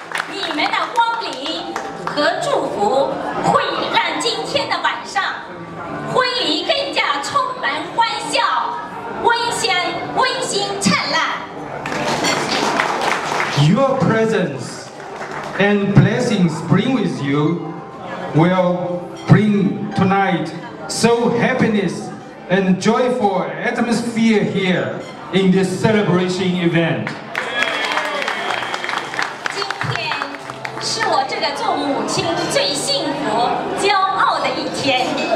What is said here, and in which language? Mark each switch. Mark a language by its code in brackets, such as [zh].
[zh] 你们的光临和祝福会让今天的晚上婚礼更加充满欢笑、温馨灿烂。 [en] Your presence and blessings bring with you will bring tonight so happiness and joyful atmosphere here in this celebration event. [zh] 今天是我这个做母亲最幸福骄傲的一天。